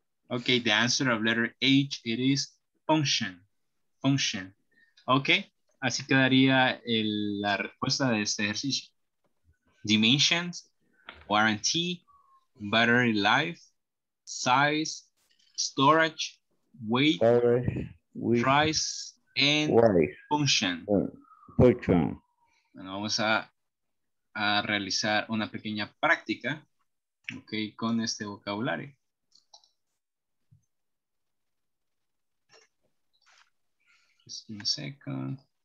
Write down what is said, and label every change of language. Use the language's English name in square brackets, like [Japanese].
[English] Okay, the answer of letter H, it is function. Function. [Spanish] Okay, así quedaría la respuesta de este ejercicio. [English] Dimensions, warranty, battery life, size, storage, weight, price, and function. Function. [Spanish] Bueno, vamos a realizar una pequeña práctica, okay, con este vocabulario. [English] Just in a second.